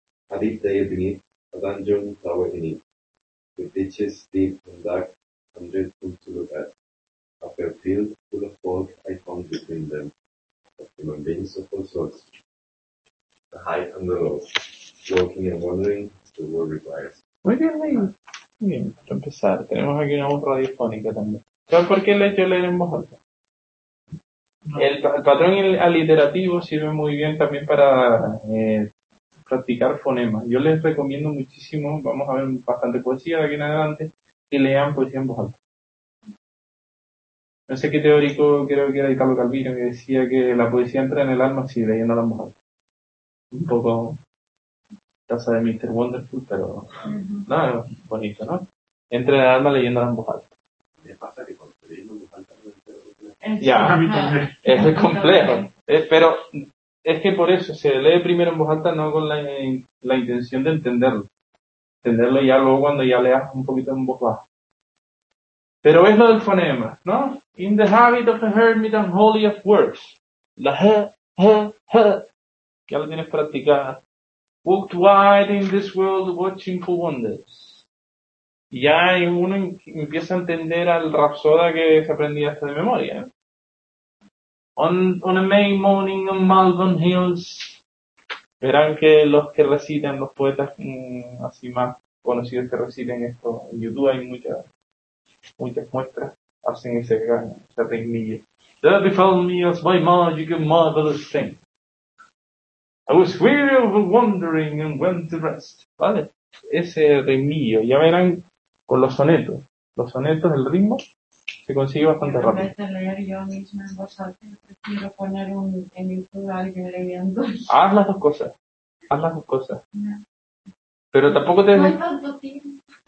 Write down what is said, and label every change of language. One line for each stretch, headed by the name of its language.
English: A deep dale beneath, a dungeon tower beneath, with ditches deep and dark, and dreadful to look at. A fair field full of folk I found between them, of human beings of all sorts. The high and the low, walking and wandering as the world requires.
Spanish: Muy bien, muy bien, para empezar, tenemos aquí una voz radiofónica también. ¿Sabes por qué le he hecho leer en voz alta? El patrón aliterativo sirve muy bien también para practicar fonemas. Yo les recomiendo muchísimo, vamos a ver bastante poesía de aquí en adelante, que lean poesía en voz alta. No sé qué teórico, creo que era Italo Calvino, que decía que la poesía entra en el alma si leyéndola en voz alta. Un poco taza de Mr. Wonderful, pero nada, no, bonito, ¿no? Entre el alma leyendo en voz alta. Me pasa que cuando estoy leyendo en voz alta no entiendo. Ya, es complejo. Pero es que por eso se lee primero en voz alta, no con la intención de entenderlo. Entenderlo ya luego cuando ya leas un poquito en voz baja. Pero es lo del fonema, ¿no?
English: In the habit of a hermit and holy of words. La he, he, he.
Spanish: Ya lo tienes practicada.
English: Walked wide in this world watching for wonders.
Spanish: Y ya uno empieza a entender al Rapsoda que se aprendía hasta de memoria.
English: On a May morning on Malvern Hills.
Spanish: Verán que los que recitan, los poetas así más conocidos que reciten esto en YouTube, hay muchas muestras, hacen ese gran, ese ritmillo.
English: There befell me as by magic a marvelous thing. I was weary of wandering and went to rest.
Spanish: ¿Vale? Ese ritmillo. Ya verán con los sonetos. Los sonetos, el ritmo, se consigue bastante rápido. En vez de leer yo misma en voz alta, prefiero poner en YouTube a alguien leyendo. Haz las dos cosas. Haz las dos cosas. Pero tampoco te... ¿Cuánto tiempo?